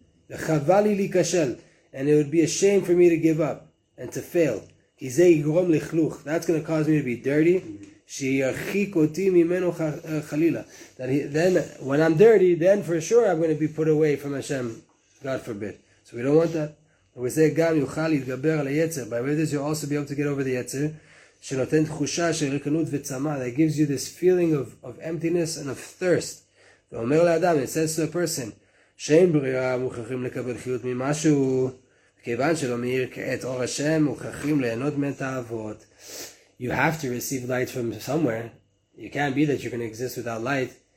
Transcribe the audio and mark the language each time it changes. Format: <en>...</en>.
<he>וחבל לי להיכשל.</he> <en>And it would be a shame for me to give up and to fail.</en> <he>כי זה יגרום לכלוך.</he> <en>That's going to cause me to be dirty.</en> <he>שירחיק אותי ממנו חלילה.</he> <en>Then, when I'm dirty, then for sure I'm going to be put away from Hashem, God forbid. So we don't want that. And we say,</en> <he>גם יוכל להתגבר על היצר.</he> <en>By way of this, you'll also be able to get over the יצר,</en> <he>שנותן תחושה של ריקנות וצמא,</he> <en>that gives you this feeling of emptiness and of thirst.</en> <he>ואומר לאדם,</he> <en>it says to a person,</en> <he>שאין ברירה מוכרחים לקבל חיות ממשהו, כיוון שלא מאיר כעת אור השם, מוכרחים ליהנות מתאוות.</he> <en>You have to receive light from somewhere. You can't be that you're going to exist without light.</en>